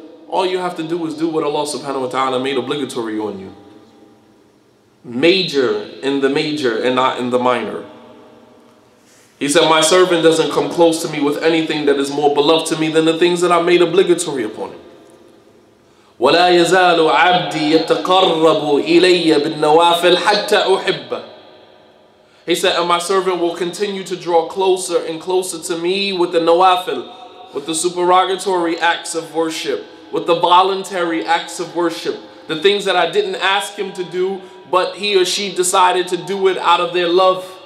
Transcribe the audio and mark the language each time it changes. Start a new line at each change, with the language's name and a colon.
English: All you have to do is do what Allah subhanahu wa ta'ala made obligatory on you. Major in the major and not in the minor. He said, my servant doesn't come close to me with anything that is more beloved to me than the things that I made obligatory upon him.
Arabic: ولا يزال عبدي يتقرب إلي بالنوافل حتى أحبه.
English: He said, and my servant will continue to draw closer and closer to me with the nawafil, with the supererogatory acts of worship, with the voluntary acts of worship, the things that I didn't ask him to do, but he or she decided to do it out of their love.